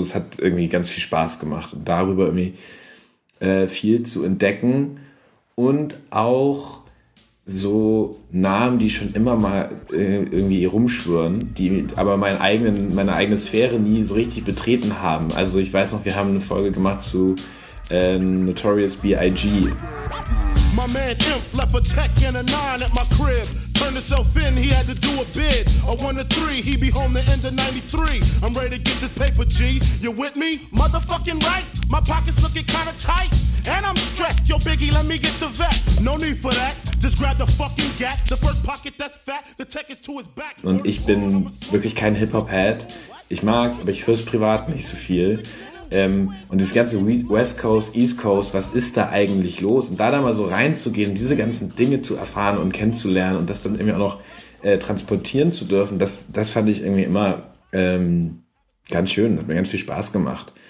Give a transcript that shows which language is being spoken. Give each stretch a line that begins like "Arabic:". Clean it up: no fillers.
German: Das hat irgendwie ganz viel Spaß gemacht und darüber irgendwie viel zu entdecken und auch so Namen, die schon immer mal irgendwie rumschwören, die aber meine eigene Sphäre nie so richtig betreten haben. Also ich weiß noch, wir haben eine Folge gemacht zu Notorious B.I.G.
English: My man Imp left a tech and a 9 at my crib. Turned himself in, he had to do a bid. A 1-3, he be home the end of 93. I'm ready to get this paper, G. You with me? Motherfucking right. My pockets looking kinda tight. And I'm stressed. Yo, Biggie, let me get the vest. No need for that. Just grab the fucking gat. The first pocket that's fat. The tech is to his back.
German: Und ich bin wirklich kein Hip-Hop-Head. Ich mag's, aber ich höre es privat nicht so viel. Und das ganze West Coast, East Coast, was ist da eigentlich los? Und da mal so reinzugehen, diese ganzen Dinge zu erfahren und kennenzulernen und das dann irgendwie auch noch transportieren zu dürfen, das fand ich irgendwie immer ganz schön, hat mir ganz viel Spaß gemacht.